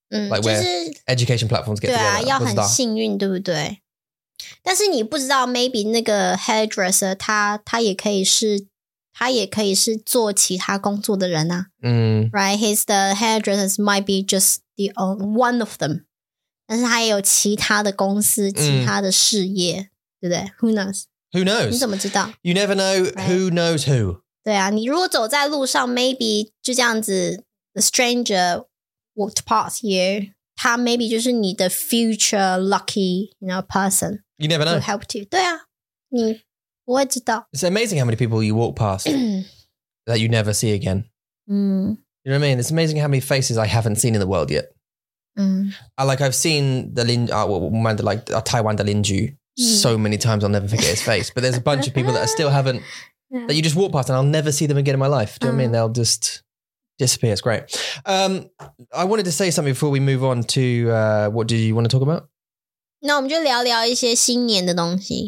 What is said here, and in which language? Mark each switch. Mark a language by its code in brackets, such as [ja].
[en] Like where education platforms get together. [zh] 对啊，要很幸运，对不对？但是你不知道 maybe 那个 hairdresser 他也可以是做其他工作的人啊。Right? [en] He's the hairdressers might be just the one of them. [zh] 但是他也有其他的公司，其他的事业，对不对？ [en] Who knows? Who knows? [zh] 你怎么知道？ [en] You never know who knows who. [zh] 对啊，你如果走在路上 maybe 就这样子 [en] the stranger,walked past you, [zh] 他 maybe 就是你的 [en] future lucky, you know, person. You never know. Who helped you. [zh] 对啊，你不会知道。 [en] It's amazing how many people you walk past that you never see again. You know what I mean? It's amazing how many faces I haven't seen in the world yet. I've seen the Taiwan 的林居so many times, I'll never forget his face. But there's a bunch of people that I still haven't, that you just walk past and I'll never see them again in my life. Do you know what I mean? They'll just... disappears. Great. I wanted to say something before we move on to what do you want to talk about? [zh] 那我们就聊聊一些新年的东西。